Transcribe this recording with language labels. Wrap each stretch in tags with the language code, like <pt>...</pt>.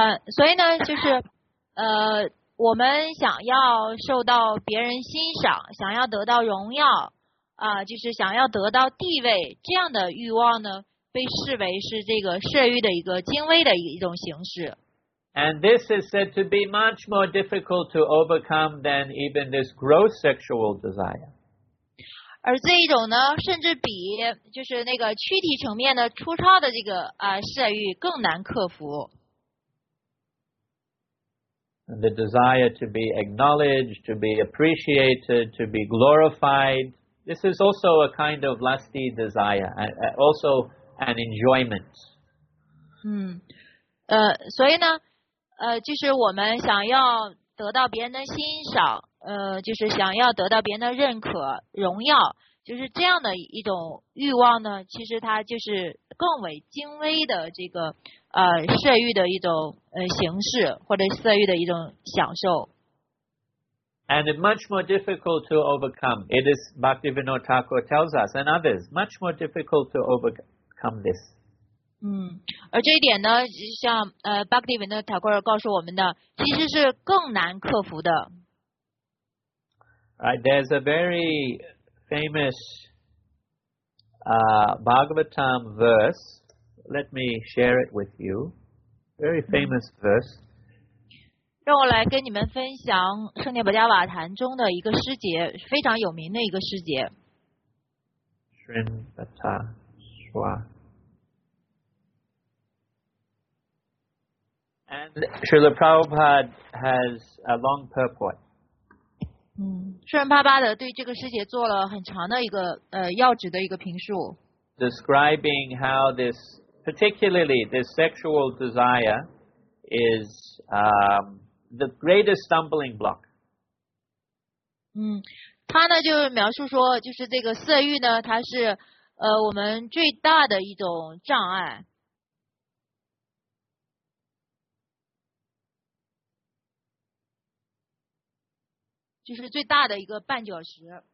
<zh>所以呢，就是我们想要受到别人欣赏，想要得到荣耀，就是想要得到地位，这样的欲望呢，被视为是这个色欲的一个精微的一种形式。</zh> <en>And this is said to be much more difficult to overcome than even this gross sexual desire.</en> <zh>而这一种呢，甚至比就是那个躯体层面的粗糙的这个啊色欲更难克服。</zh> <en>The desire to be acknowledged, to be appreciated, to be glorified. This is also a kind of lusty desire, also an enjoyment.</en> <zh>所以呢，就是我们想要得到别人的欣赏，就是想要得到别人的认可、荣耀，就是这样的一种欲望呢，其实它就是更为精微的这个色欲的一种形式，或者色欲的一种享受。</zh> <en>And it's much more difficult to overcome. It is Bhaktivinoda Thakur tells us and others much more difficult to overcome this.</en> <zh>而这一点呢，像Bhaktivinoda Thakur告诉我们的，其实是更难克服的。</zh> <en>Right, there's a very famous Bhagavatam verse. Let me share it with you. Very famous verse.</en> <zh>让我来跟你们分享《圣涅薄伽瓦坛》中的一个诗节，非常有名的一个诗节。</zh> <en>Srinivasa Swami. And Srila Prabhupada has a long purport.</en> <zh>圣人帕巴德对这个诗节做了很长的一个要旨的一个评述。 Describing how this, particularly this sexual desire, is the greatest stumbling block. 他呢就描述说，就是这个色欲呢，它是我们最大的一种障碍。就是最大的一个绊脚石。</zh>